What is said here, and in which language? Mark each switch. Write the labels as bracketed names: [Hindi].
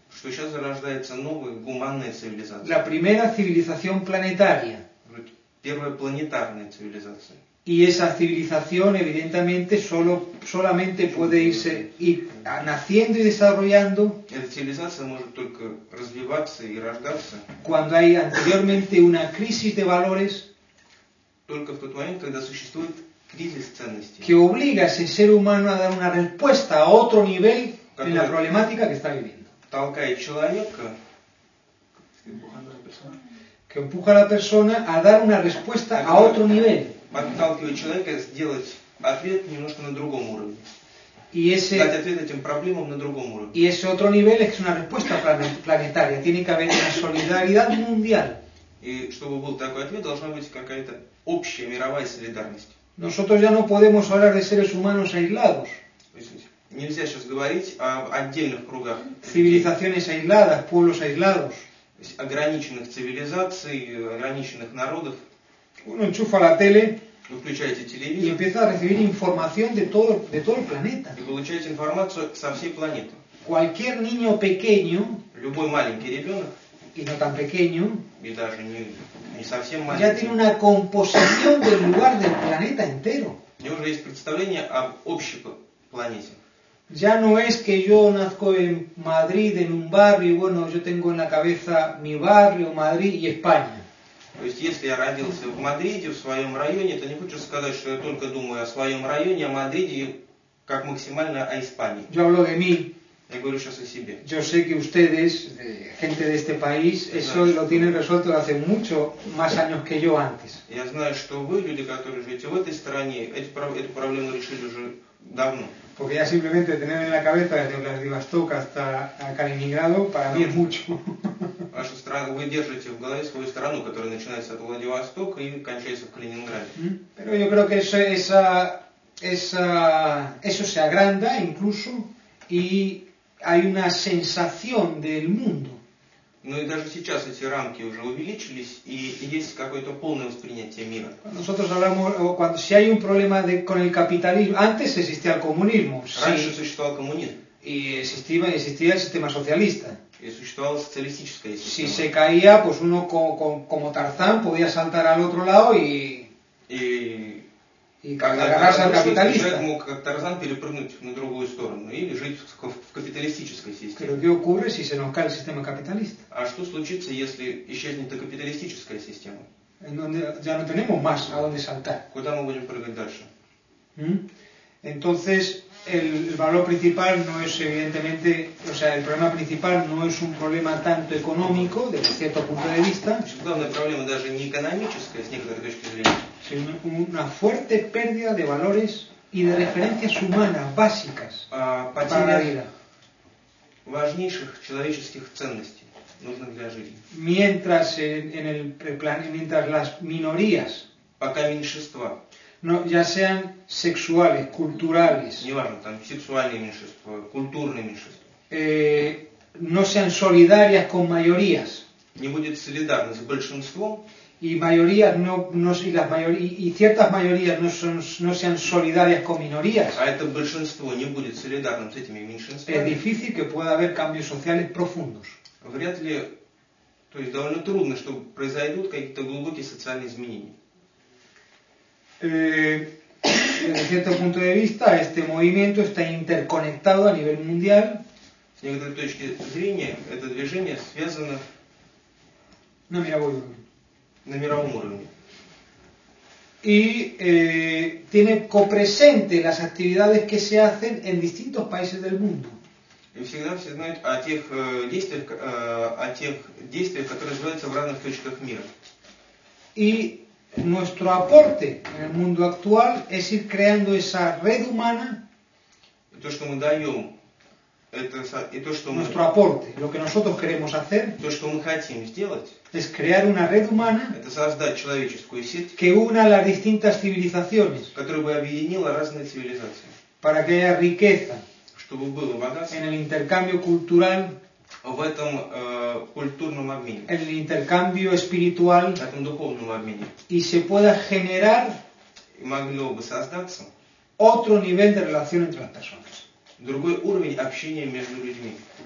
[Russian] Что сейчас зарождается новая гуманная цивилизация. [Spanish] La primera civilización planetaria. [Russian] Первая планетарная цивилизация. [Spanish] Y esa civilización evidentemente solamente puede irse naciendo y desarrollando. [Russian] Эта цивилизация может только развиваться и рождаться. [Spanish] Cuando hay anteriormente una crisis de valores. [Russian] Только в тот момент, когда существует кризис ценностей. [Spanish] Que obliga a ese ser humano a dar una respuesta a otro nivel en la problemática que está viviendo. [Russian] Толкает человека, [Spanish] que empuja a la persona a dar una respuesta a otro nivel. [Russian] Подталкивает человека сделать ответ немножко на другом уровне. [Spanish] Y ese, [Russian] дать ответ этим проблемам на другом уровне. [Spanish] Y ese otro nivel es una respuesta planetaria. Tiene que haber una solidaridad mundial. [Russian] И чтобы был такой ответ, должна быть какая-то общая мировая солидарность. [Spanish] Nosotros ya no podemos hablar de seres humanos aislados. [Russian] Нельзя сейчас говорить о отдельных кругах. [Spanish] Цивилизаciones aisladas, pueblos aislados. [Russian] Ограниченных цивилизаций, ограниченных народов. [Spanish] Uno enchufa la tele. [Russian] Вы включаете телевизор. [Spanish] Y empieza a recibir información de todo el planeta. [Russian] И получаете информацию со всей планеты. [Spanish] Cualquier niño pequeño. [Russian] Любой маленький ребенок. [Spanish] Y no tan pequeño. [Russian] Y даже не совсем маленький. [Spanish] Ya tiene una composición del lugar del planeta entero. [Russian] У него уже есть представление об общей планете. [Spanish] Ya no es que yo nazco en Madrid, en un barrio, y bueno, yo tengo en la cabeza mi barrio, Madrid y España. [Russian] То есть, если я родился в Мадриде, в своем районе, то не хочешь сказать, что я только думаю о своем районе, о Мадриде, как максимально о Испании. [Spanish] Yo hablo de mí. [Russian] Я говорю сейчас о себе. [Spanish] Yo sé que ustedes, gente de este país, eso lo tienen resuelto hace mucho más años que yo antes. [Russian] Я знаю, что вы, люди, которые живете в этой стране, эту проблему решили уже давно. [Spanish] Porque ya simplemente tener en la cabeza desde Владивосток hasta Калининграду, para mí es mucho. [Russian] Вашу страну, вы держите в голове свою страну, которая начинается от Владивостока и кончается в Калининграде. [Spanish] Pero yo creo que eso se agranda incluso y hay una sensación del mundo. [Russian] Ну и даже сейчас эти рамки уже увеличились и есть какое-то полное восприятие мира. [Spanish] Nosotros hablamos cuando si hay un problema con el capitalismo. Antes existía el comunismo. [Russian] Раньше существовал коммунизм. [Spanish] И existía el sistema socialista. [Russian] И существовала социалистическая система. [Spanish] Si se caía, pues uno como Tarzán podía saltar al otro lado y [Russian] Когда Тарзан капиталист, человек мог как Тарзан перепрыгнуть на другую сторону или жить в капиталистической системе. [Spanish] Pero qué ocurre si se nos cae el sistema capitalista? [Russian] А что случится, если исчезнет капиталистическая система? [Spanish] Ya no tenemos más a dónde saltar. [Russian] Куда мы будем прыгать дальше? [Spanish] Entonces, el valor principal no es evidentemente, o sea, el problema principal no es un problema tanto económico, desde cierto punto de vista. [Russian] Главная проблема даже не экономическая, с некоторой точки зрения. [Spanish] Sino una fuerte pérdida de valores y de referencias humanas básicas para la vida. [Russian] Важнейших человеческих ценностей, нужных для жизни. [Spanish] Mientras en el plan, mientras las minorías, [Russian] пока меньшинства, [Spanish] no, ya sean sexuales, culturales, [Russian] неважно, там сексуальные меньшинства, культурные меньшинства, [Spanish] no sean solidarias con mayorías, [Russian] не будет солидарны с большинством, [Spanish] y mayorías no, no y las mayorías y ciertas mayorías no son, no sean solidarias con minorías, [Russian] а это большинство не будет солидарным с этими меньшинствами, [Spanish] es difícil que pueda haber cambios sociales profundos. [Russian] Вряд ли, то есть довольно трудно, чтобы произойдут какие-то глубокие социальные изменения. [Spanish] Desde cierto punto de vista, este movimiento está interconectado a nivel mundial. [Russian] С некоторой точки зрения, это движение связано на мировом уровне. На мировом уровне. [Spanish] Y tiene copresente las actividades que se hacen en distintos países del mundo. [Russian] И всегда все знают о тех действиях, о тех действиях, которые развиваются в разных точках мира. [Spanish] И nuestro aporte en el mundo actual es ir creando esa red humana. [Russian] И то, что мы даем, это и то, что [Spanish] nuestro aporte, lo que nosotros queremos hacer, [Russian] то, что мы хотим сделать, [Spanish] es crear una red humana. [Russian] Это создать человеческую сеть, [Spanish] que una las distintas civilizaciones, [Russian] которая бы объединила разные цивилизации, [Spanish] para que haya riqueza. [Russian] Чтобы было [Spanish] en el intercambio cultural, [Russian] в этом культурном обмене, [Spanish] en el intercambio espiritual, [Russian] в этом духовном обмене, [Spanish] y se pueda generar, [Russian] и могло бы создаться, [Spanish] otro nivel de relación entre las personas, [Russian] другой уровень общения между людьми.